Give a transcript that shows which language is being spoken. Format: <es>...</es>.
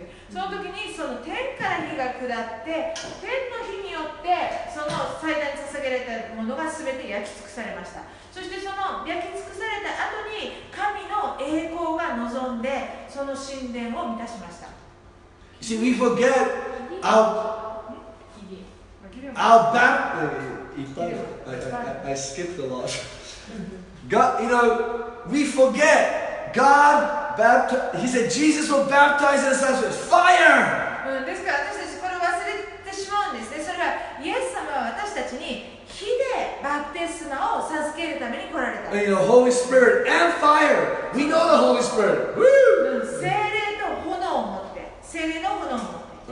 <ja>その時にその天から火が下って天の火によってその祭壇に捧げられたものがすべて焼き尽くされました。そしてその焼き尽くされた後に神の栄光が望んでその神殿を満たしました。</ja> <en>You see, we forget our Our I skipped a lot. God, you know, we forget. God baptized. He said Jesus will baptize us with fire.</en> <ja>ですから私たちこれを忘れてしまうんですね。それはイエス様は私たちに火でバプテスマを授けるために来られた。</ja> <en>You know, Holy Spirit and fire. We know the Holy Spirit. Woo!</en> <ja>聖霊の炎を持って、聖霊の炎を持って。</ja>